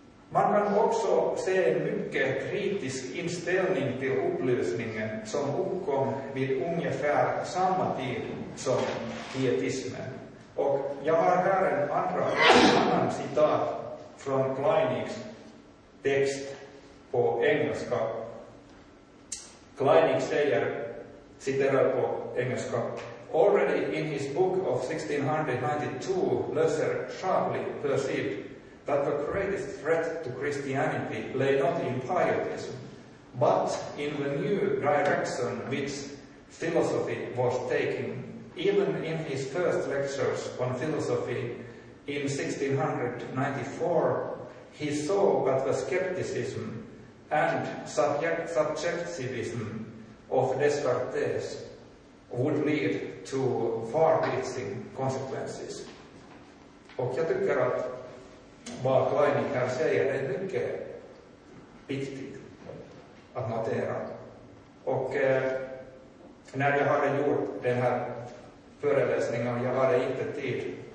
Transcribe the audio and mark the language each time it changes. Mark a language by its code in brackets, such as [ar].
[sv] Man kan också se en mycket kritisk inställning till upplysningen som uppkom vid ungefär samma tid som pietismen. Och jag har här en annan citat från Kleinigs text på engelska. Kleinig säger, citerar på engelska: [en] "Already in his book of 1692, Lösser sharply perceived that the greatest threat to Christianity lay not in pietism, but in the new direction which philosophy was taking. Even in his first lectures on philosophy in 1694, he saw that the skepticism and subjectivism of Descartes would lead to far-reaching consequences." [sv] Och jag tycker att vad Kleinig här säger är mycket viktigt att notera. Och när jag hade gjort den här föreläsningen, jag hade inte tid.